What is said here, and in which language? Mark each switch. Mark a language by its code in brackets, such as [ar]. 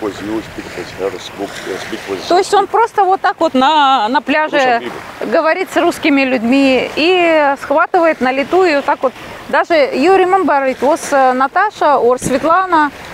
[en] Speak with you, speak with her, speak with you. [ru] То есть он просто вот так вот на пляже говорит с русскими людьми и схватывает на лету и вот так вот. Даже [en] you remember it was Natasha or Svetlana?